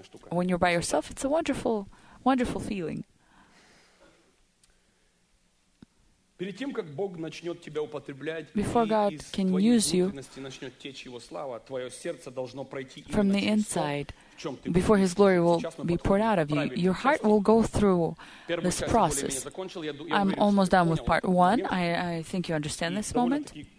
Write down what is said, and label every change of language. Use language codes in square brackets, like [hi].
[en] When you're by yourself, it's a wonderful, wonderful feeling. [ru] Перед тем как Бог начнёт тебя употреблять, [en] before God can use you, [ru] начнёт течь его слава, твоё сердце должно пройти [en] from the inside. Before his glory will be poured out of you, your heart will go through this process. I'm almost done with part one. I think you understand this moment.